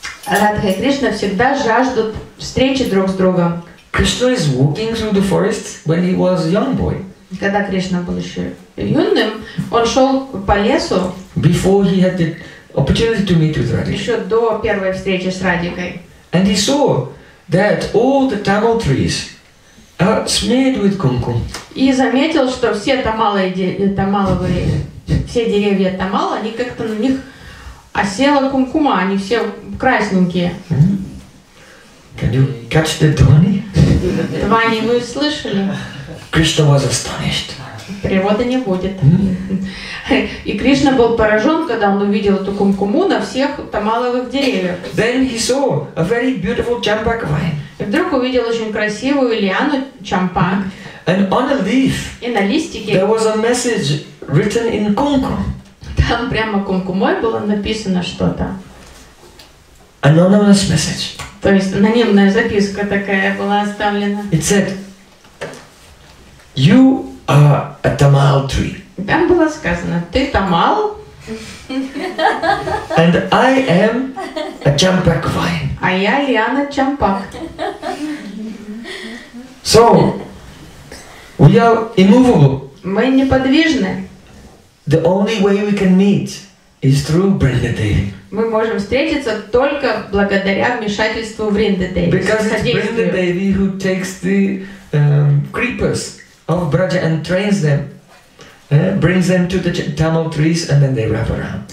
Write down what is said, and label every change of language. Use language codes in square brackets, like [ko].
[ru] Радха и Кришна всегда жаждут встречи друг с другом. [en] Krishna is walking through the forest when he was a young boy. [ru] Когда Кришна был еще юным, он шел по лесу. [en] Before he had the opportunity to meet with Radhika. [ru] Еще до первой встречи с Радхикой. [en] And he saw that all the tamal trees are smeared with kumkum. [ru] И заметил, что все тамаловые все деревья тамал, они как-то на них осела кумкума, они все красненькие. [en] Can you catch the twani? [ru] Твани, вы слышали? [en] Krishna was astonished. [ru] Природа не будет. И Кришна был поражен, когда он увидел эту кумкуму на всех тамаловых деревьях. [en] Then he saw a very beautiful champak vine. [ru] И вдруг увидел очень красивую лиану champak. [en] And on a leaf. [ru] И на листике. [en] There was a message written in kumkum. [ru] Там прямо кумкумой было написано что-то. [en] Anonymous message. [ru] То есть анонимная записка такая была оставлена. [en] It said, you are a tamal tree. [ru] Там было сказано, ты тамал. [en] And I am a champak vine. [ru] А я лиана champak. [en] So, we are immovable. [ru] Мы неподвижны. [en] The only way we can meet is through Vrindadevi. [ru] Мы можем встретиться только благодаря вмешательству Vrindadevi. [en] Because it's Vrindadevi who takes the creepers of Braja and trains them, brings them to the tamal trees and then they wrap around.